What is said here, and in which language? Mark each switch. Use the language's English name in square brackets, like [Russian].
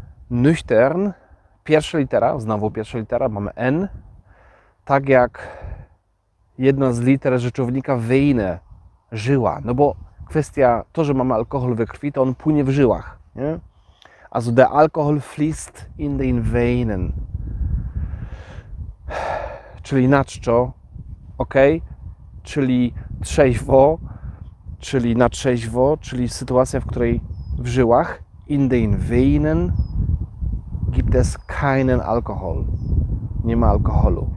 [Polish] Nüchtern, pierwsza litera, znowu pierwsza litera, mamy N, tak jak jedna z liter rzeczownika Weine, żyła, no bo kwestia to, że mamy alkohol we krwi, to on płynie w żyłach, nie? [German] Also der Alkohol fließt in den Weinen. [Polish] Czyli naczczo, ok, czyli trzeźwo, czyli na trzeźwo, czyli sytuacja, w której w żyłach, [German] in den Weinen, gibt es keinen Alkohol. [Polish] Nie ma alkoholu.